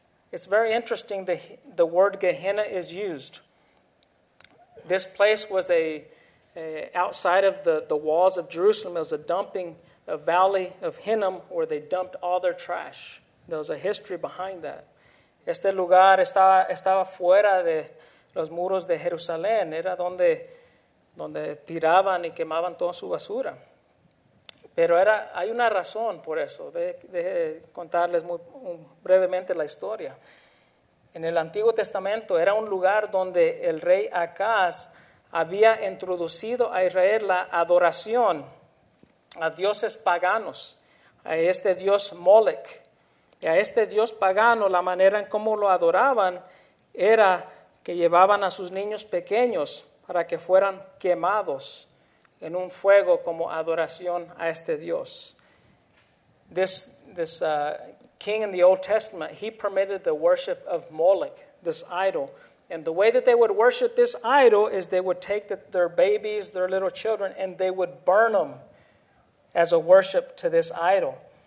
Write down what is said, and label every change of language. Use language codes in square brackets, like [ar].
[en] It's very interesting that the word Gehenna is used. This place was outside of the walls of Jerusalem. It was a dumping, a valley of Hinnom, where they dumped all their trash. There was a history behind that. [es] Este lugar estaba fuera de los muros de Jerusalén. Era donde tiraban y quemaban toda su basura. Pero hay una razón por eso. Deje contarles brevemente la historia. En el Antiguo Testamento era un lugar donde el rey Acaz había introducido a Israel la adoración a dioses paganos, a este dios Molech. Y a este dios pagano, la manera en cómo lo adoraban era que llevaban a sus niños pequeños para que fueran quemados en un fuego como adoración a este dios. [en] This king in the Old Testament, he permitted the worship of Molech, this idol. And the way that they would worship this idol is they would take their babies, their little children, and they would burn them as a worship to this idol.